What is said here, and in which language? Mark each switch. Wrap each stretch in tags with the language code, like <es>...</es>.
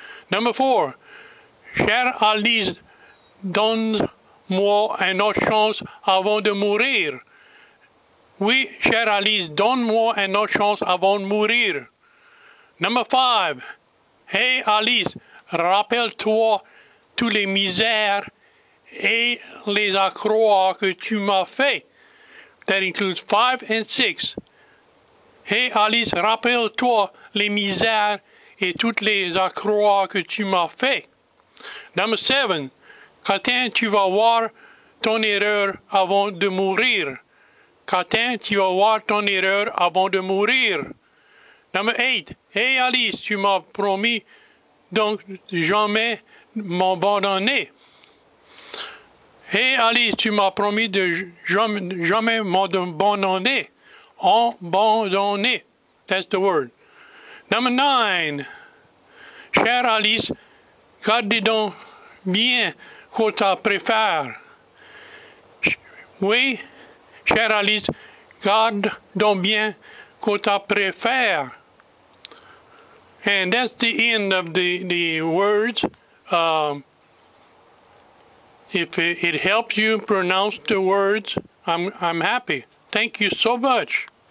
<en>Number four,</en> <fr>chère Alice, donne-moi une autre chance avant de mourir. Oui, chère Alice, donne-moi une autre chance avant de mourir.</fr> <en>Number five,</en> <fr>hey Alice, rappelle-toi tous les misères et les accrocs que tu m'as fait.</fr> <en>That includes five and six.</en> <fr>Hey Alice, rappelle-toi les misères et toutes les accrocs que tu m'as fait.</fr> <en>Number seven,</en> <fr>Catin, tu vas voir ton erreur avant de mourir. Catin, tu vas voir ton erreur avant de mourir.</fr> <en>Number eight,</en> <fr>hey Alice, tu m'as promis donc jamais m'abandonner. Hey Alice, tu m'as promis de jamais m'abandonner.</fr> <en>Abandonner. That's the word. Number nine.</en> <fr>Chère Alice, garde donc bien quoi tu préfères. Oui, chère Alice, garde donc bien quoi tu préfères.</fr> <en>And that's the end of the words. If it helps you pronounce the words, I'm happy. Thank you so much.</en>